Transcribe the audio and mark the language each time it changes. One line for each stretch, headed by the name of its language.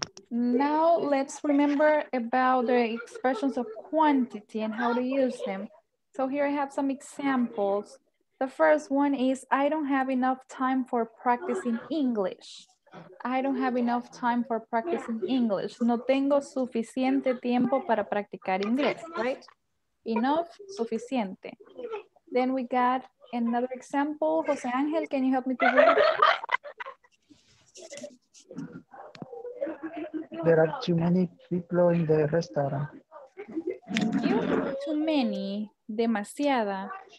English: Now let's remember about the expressions of quantity and how to use them. So here I have some examples. The first one is, I don't have enough time for practicing English. I don't have enough time for practicing English.
Spanish: No tengo suficiente tiempo para practicar inglés, right?
English: Enough, suficiente. Then we got another example. Jose Angel, can you help me to read? There are too many people in the restaurant. Too many, demasiada.